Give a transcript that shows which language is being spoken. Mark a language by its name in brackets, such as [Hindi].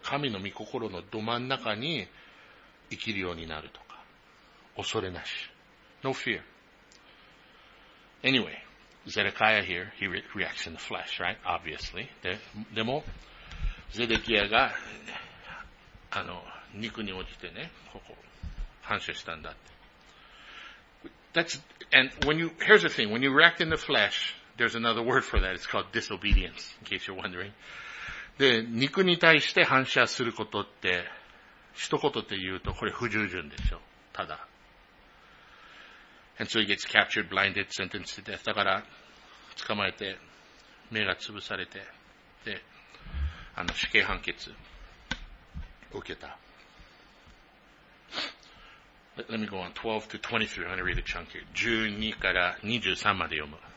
[Japanese] 神の御心のど真ん中に、生きるようになるとか。恐れなし。 [English] No fear. Anyway, Zedekiah here, he reacts in the flesh, right? [Japanese] Obviously. でも、Zedekiah が、肉に落ちてね、ここ、反射したんだって。 [English] Here's the thing, when you react in the flesh, there's another word for that, it's called disobedience, in case you're wondering. [Japanese] で、肉に対して反射することって、一言で言うと、これ不従順でしょ。ただ。 [English] And so he gets captured, blinded, sentenced to death. [Japanese] だから、捕まえて、目が潰されて、で、死刑判決、受けた。 [English] Let me go on. 12 to 23. I'm gonna read a chunk here. [Japanese] 12から23まで読む。